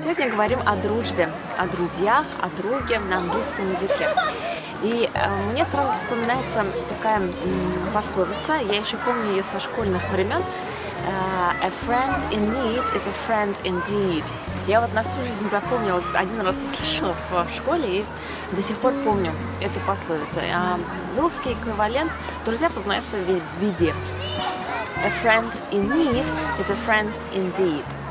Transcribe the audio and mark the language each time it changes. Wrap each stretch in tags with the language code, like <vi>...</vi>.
<ru>говорим о дружбе, о друзьях, о друге на английском языке. И мне сразу вспоминается такая пословица, я еще помню ее со школьных времен.</ru> <en>A friend in need is a friend indeed.</en> <ru>Я вот на всю жизнь запомнила, один раз услышала в школе и до сих пор помню эту пословицу. Русский эквивалент «друзья познаются в беде».</ru> <en>A friend in need is a friend indeed.</en>